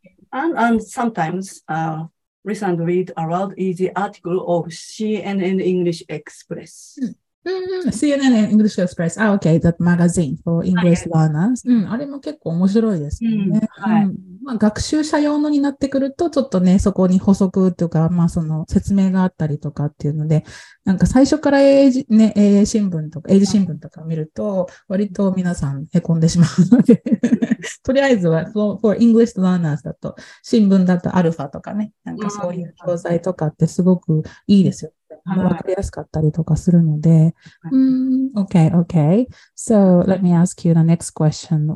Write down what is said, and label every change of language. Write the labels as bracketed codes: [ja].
[en] And sometimes, recent read aloud is the article of CNN English Express. CNN English Express. Ah, okay, that magazine for English learners. [ja] あれも結構面白いですね。まあ、学習者用のになってくると、ちょっとね、そこに補足というか、まあその説明があったりとかっていうので、なんか最初から英字新聞とか見ると、割と皆さん凹んでしまうので、とりあえずは、 [en] for English learners [ja] だと、新聞だとアルファとかね、なんかそういう教材とかってすごくいいですよ。わかりやすかったりとかするので。 [en] Okay. So, let me ask you the next question.